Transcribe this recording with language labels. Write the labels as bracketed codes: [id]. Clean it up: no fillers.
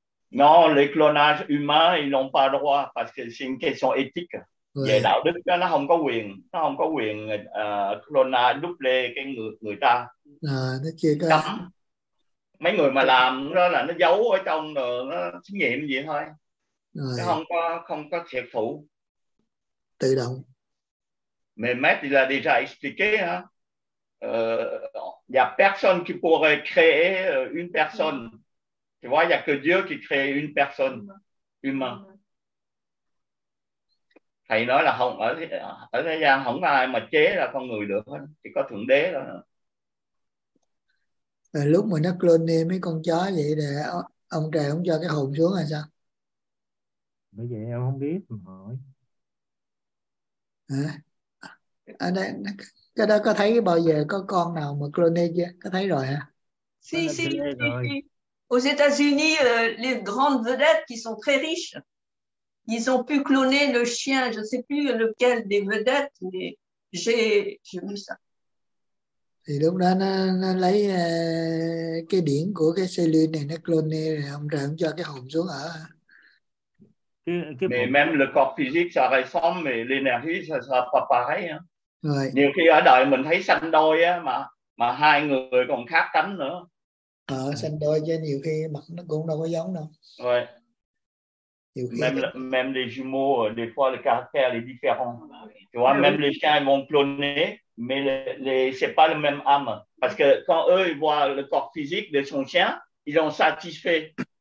[fr] Non, les clonages humains, ils n'ont pas droit parce que c'est une question éthique. [vi] Về đạo đức đó, nó không có quyền. Nó không có quyền clonage, double cái người ta. Nó chưa có. Cấm. Mấy người mà làm đó là nó giấu ở trong đường, nó thí nghiệm gì thôi. Nó không có thiệt thủ. tự động. [fr] Mais Maître, il a déjà expliqué, hein? Y a personne qui pourrait créer une personne. Tu vois, il n'y a que Dieu qui crée une personne humaine. [vi] Thầy nói là không, ở thế gian không ai mà chế ra con người được, chỉ có Thượng Đế đó. Rồi lúc mà nó clone mấy con chó vậy là ông trời không cho cái hồn xuống hay sao? Bởi vậy em không biết mà hỏi. Hả? À, cái đó có thấy bao giờ có con nào mà clone chưa? Có thấy rồi hả? [fr] Si, si, si. Aux États-Unis, les grandes vedettes qui sont très riches, ils ont pu cloner le chien, je ne sais plus lequel des vedettes, mais j'ai vu ça. [vi] Thì lúc đó nó lấy cái điển của cái cellule này, nó cloné rồi ông trời không cho cái hồn xuống ở. [fr] Mais même le corps physique ça ressemble, mais l'énergie ça sera pas pareil. [vi] Rồi. Nhiều khi ở đời mình thấy sanh đôi á, mà hai người còn khác tánh nữa. Ờ, sanh đôi chứ nhiều khi mặt nó cũng đâu có giống đâu. Rồi. [fr] Même les jumeaux, des fois le caractère est différent. Tu vois, même les chiens ils vont cloner, mais c'est pas le même âme. Parce que quand eux ils voient le corps physique de son chien, ils sont satisfaits.